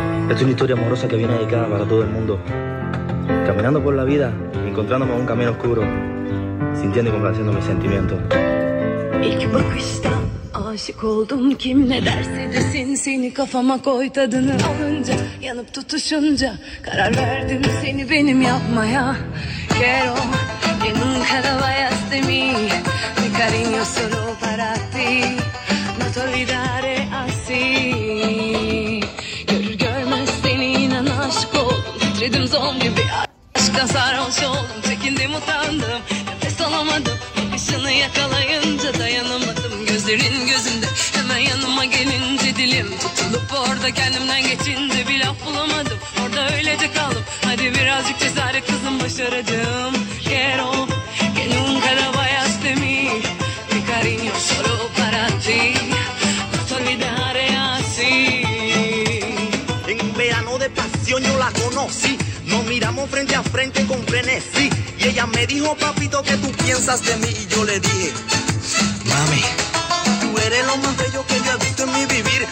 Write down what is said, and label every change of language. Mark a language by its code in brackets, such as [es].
[es] Es una historia amorosa que viene dedicada para todo el mundo. Caminando por la vida, encontrándome en un camino oscuro, sintiendo y complaciendo mis sentimientos. [tr] İlk bakıştan aşık oldum, kim ne derse desin, seni kafama koy, tadını alınca, yanıp tutuşunca, karar verdim seni benim yapmaya. [es] Quiero que nunca lo vayas de mí, mi cariño solo para ti, no te olvidaré así. [tr] Görür görmez seni inan aşık oldum, titredim zombi bir aşka sarhoş oldum, çekindim utandım, nefes alamadım. Başını yakalayınca dayanamadım, gözlerin gözünde hemen yanıma gelince dilim tutulup orada kendimden geçince bir laf bulamadım, orada öylece kaldım. Hadi birazcık cesaret kızım, başaracağım. [es] Quiero que nunca lo vayas de mí, mi cariño solo para ti, no te olvidaré así. En un verano de pasión yo la conocí, nos miramos frente a frente con frenesí. Ella me dijo, papito, ¿qué tú piensas de mí? Y yo le dije, mami, tú eres lo más bello que yo he visto en mi vivir.